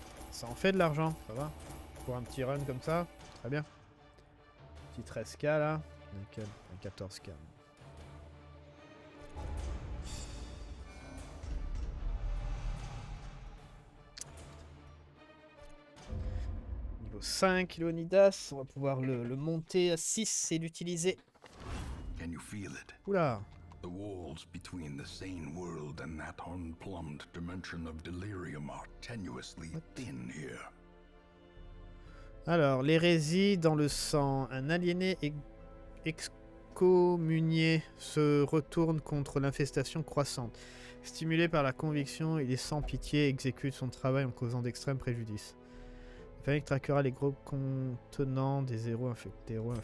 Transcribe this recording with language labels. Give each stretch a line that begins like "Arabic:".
French: Ça en fait de l'argent, ça va. Pour un petit run comme ça, très bien. Petit 13K là. Nickel. Un 14K. Niveau 5, Leonidas, on va pouvoir le monter à 6 et l'utiliser.
English: Can you feel it? Oula. The walls between the sane world and that unplumbed dimension of delirium are tenuously thin here.
French: Alors, l'hérésie dans le sang. Un aliéné excommunié se retourne contre l'infestation croissante. Stimulé par la conviction, il est sans pitié, exécute son travail en causant d'extrêmes préjudices. Panic traquera les groupes contenant des héros infectés.